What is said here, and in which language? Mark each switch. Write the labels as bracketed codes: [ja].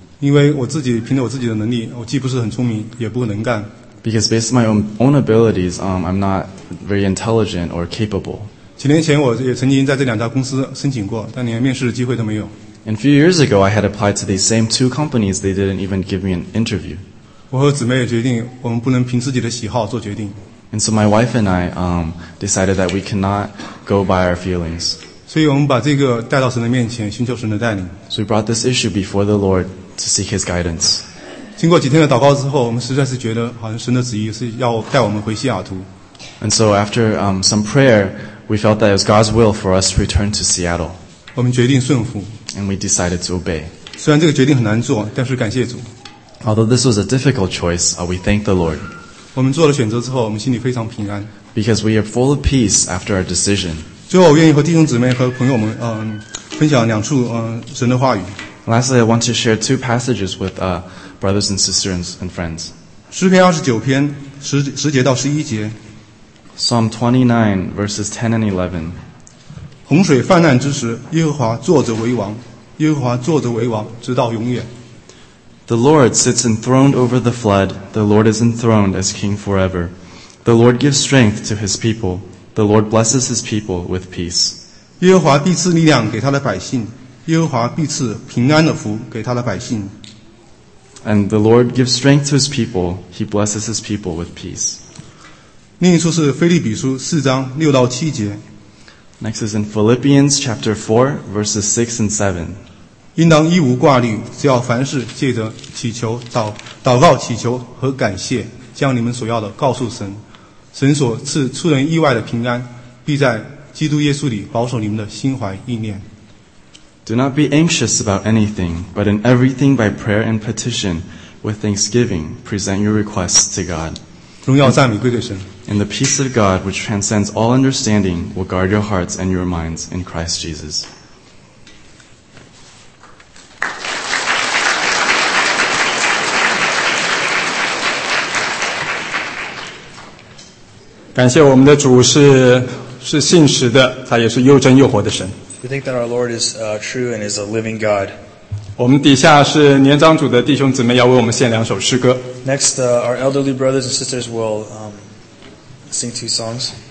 [zh] 因为我自己凭着我自己的能力，我既不是很聪明，也不能干。 [en] Because based on my own abilities, I'm not very intelligent or capable. [zh] 几年前我也曾经在这两家公司申请过，但连面试的机会都没有。 [en] And a few years ago, I had applied to these same two companies. They didn't even give me an interview. [zh] 我和姊妹也决定，我们不能凭自己的喜好做决定。 [en] And so my wife and I decided that we cannot go by our feelings. [zh] 所以我们把这个带到神的面前，寻求神的带领。 [en] So we brought this issue before the Lord to seek His guidance. [zh] 经过几天的祷告之后，我们实在是觉得好像神的旨意是要带我们回西雅图。 [en] And so after some prayer, we felt that it was God's will for us to return to Seattle. [zh] 我们决定顺服。 [en] And we decided to obey. [zh] 虽然这个决定很难做，但是感谢主。 [en] Although this was a difficult choice, we thank the Lord. [zh] 我们做了选择之后，我们心里非常平安。 [en] Because we are full of peace after our decision. [zh] 最后，我愿意和弟兄姊妹和朋友们，分享两处，神的话语。 [en] Lastly, I want to share two passages with brothers and sisters and friends. [zh] 诗篇29篇10-11节。 [en] Psalm 29 verses 10-11. [zh] 洪水泛滥之时，耶和华坐着为王，耶和华坐着为王，直到永远。 [en] The Lord sits enthroned over the flood. The Lord is enthroned as king forever. The Lord gives strength to his people. The Lord blesses his people with peace. [zh] 耶和华必赐力量给他的百姓。耶和华必赐平安的福给他的百姓。 [en] And the Lord gives strength to his people. He blesses his people with peace. [zh] 另一处是腓立比书4:6-7。 [en] Next is in Philippians chapter 4, verses 6 and 7. [zh] 应当一无挂虑，只要凡事借着祈求、祷告、祈求和感谢，将你们所要的告诉神。神所赐出人意外的平安，必在基督耶稣里保守你们的心怀意念。 [en] Do not be anxious about anything, but in everything by prayer and petition, with thanksgiving, present your requests to God. [zh] 荣耀赞美归给神。 [en] And the peace of God, which transcends all understanding, will guard your hearts and your minds in Christ Jesus. [zh] 感谢我们的主是信实的，他也是又真又活的神。 [en] We think that our Lord is true and is a living God. [zh] 我们底下是年长组的弟兄姊妹要为我们献两首诗歌。 [en] Next, our elderly brothers and sisters will sing two songs.